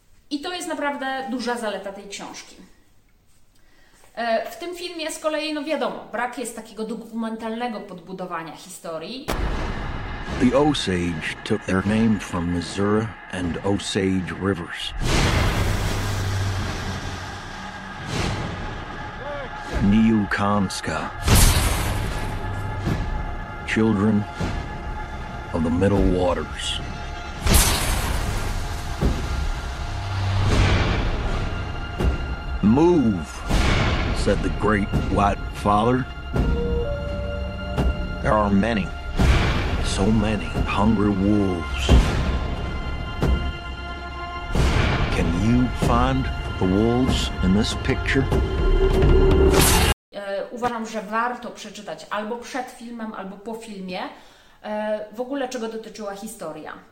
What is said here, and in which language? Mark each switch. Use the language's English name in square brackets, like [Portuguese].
[Polish] I to jest naprawdę duża zaleta tej książki. W tym filmie z kolei, no wiadomo, brak jest takiego dokumentalnego podbudowania historii. [English] The Osage took their name from Missouri and Osage Rivers. Niukanska. Children of the Middle Waters. Move, said the great white father. There are many, so many hungry wolves. Can you find the wolves in this picture? [Polish] Uważam, że warto przeczytać albo przed filmem, albo po filmie w ogóle, czego dotyczyła historia.